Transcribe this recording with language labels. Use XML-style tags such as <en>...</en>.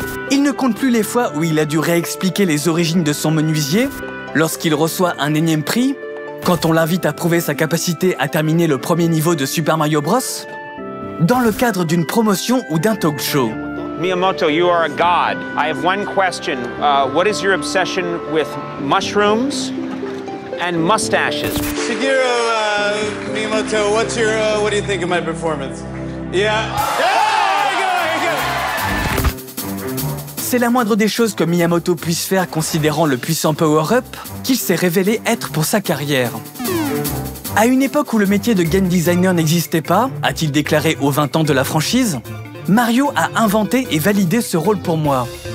<fr>Il ne compte plus les fois où il a dû réexpliquer les origines de son menuisier, lorsqu'il reçoit un énième prix, quand on l'invite à prouver sa capacité à terminer le premier niveau de Super Mario Bros, dans le cadre d'une promotion ou d'un talk show.</fr> <en>Miyamoto, you are a god. I have one question. What is your obsession with mushrooms and mustaches? Shigeru, Miyamoto, what's your, what do you think of my performance? Yeah.</en> <fr>C'est la moindre des choses que Miyamoto puisse faire considérant le puissant power-up qu'il s'est révélé être pour sa carrière. À une époque où le métier de game designer n'existait pas, a-t-il déclaré aux 20 ans de la franchise, Mario a inventé et validé ce rôle pour moi.</fr>